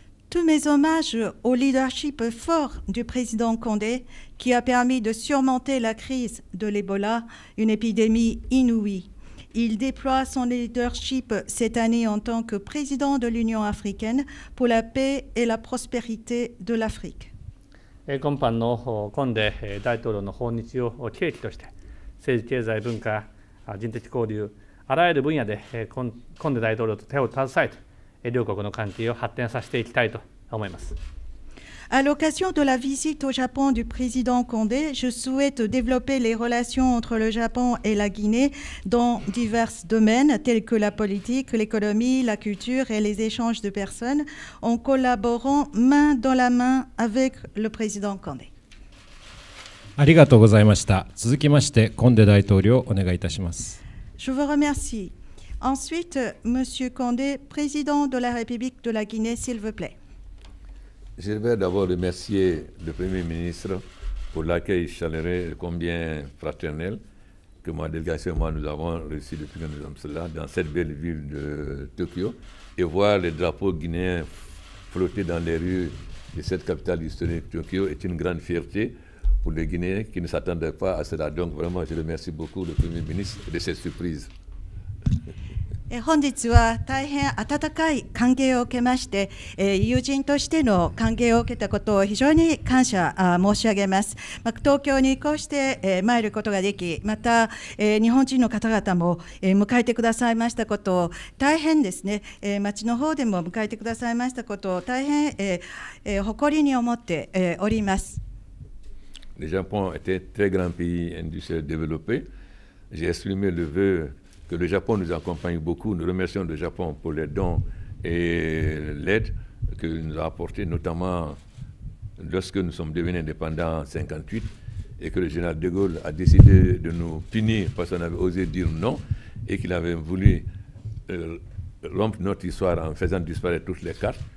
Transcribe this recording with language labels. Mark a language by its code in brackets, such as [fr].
[fr] Tous mes hommages au leadership fort du président Condé qui a permis de surmonter la crise de l'Ebola, une épidémie inouïe. Il déploie son leadership cette année en tant que président de l'Union africaine pour la paix et la prospérité de l'Afrique. [ja] 今般のコンデ大統領の訪日を契機として、政治、経済、文化、人的交流、あらゆる分野でコンデ大統領と手を携えて、両国の関係を発展させていきたいと思います。 [fr] À l'occasion de la visite au Japon du président Condé, je souhaite développer les relations entre le Japon et la Guinée dans divers domaines tels que la politique, l'économie, la culture et les échanges de personnes en collaborant main dans la main avec le président Condé. [ja] ありがとうございました。続きまして、コンデ大統領、お願いいたします。 [fr] Je vous remercie. Ensuite, Monsieur Condé, président de la République de la Guinée, s'il vous plaît. Je voudrais d'abord remercier le Premier ministre pour l'accueil chaleureux et combien fraternel que ma délégation et moi nous avons reçu depuis que nous sommes là dans cette belle ville de Tokyo et voir les drapeaux guinéens flotter dans les rues de cette capitale historique Tokyo est une grande fierté pour les Guinéens qui ne s'attendaient pas à cela. Donc vraiment, je remercie beaucoup le Premier ministre de cette surprise. [ja] 本日は大変温かい歓迎を受けまして、友人としての歓迎を受けたことを非常に感謝申し上げます。東京にこうして参ることができ、また日本人の方々も迎えてくださいましたことを大変ですね、町の方でも迎えてくださいましたことを大変誇りに思っております。 [fr] Le Japon est un très grand pays industriel développé. J'ai exprimé le vœuque le Japon nous accompagne beaucoup. Nous remercions le Japon pour les dons et l'aide qu'il nous a apporté, notamment lorsque nous sommes devenus indépendants en 58 et que le général de Gaulle a décidé de nous punir parce qu'on avait osé dire non et qu'il avait voulu rompre notre histoire en faisant disparaître toutes les cartes.